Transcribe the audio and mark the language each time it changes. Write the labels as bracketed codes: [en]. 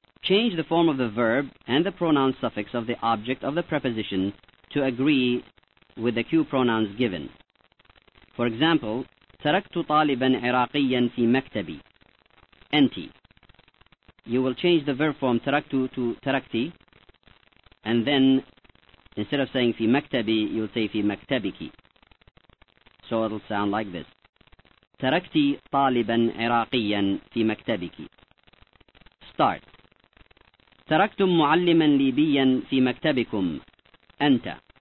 [en] Change the form of the verb and the pronoun suffix of the object of the preposition to agree with the cue pronouns given. For example, [ar] تركت طالبا عراقيا في مكتبي. أنت. [en] You will change the verb form تركت to تركتي. And then, instead of saying [ar] في مكتبي, [en] you'll say [ar] في مكتبك. [en] So it'll sound like this. [ar] تركت طالبا عراقيا في مكتبك. [en] Start. [ar] تركتم معلما ليبيا في مكتبكم. أنت.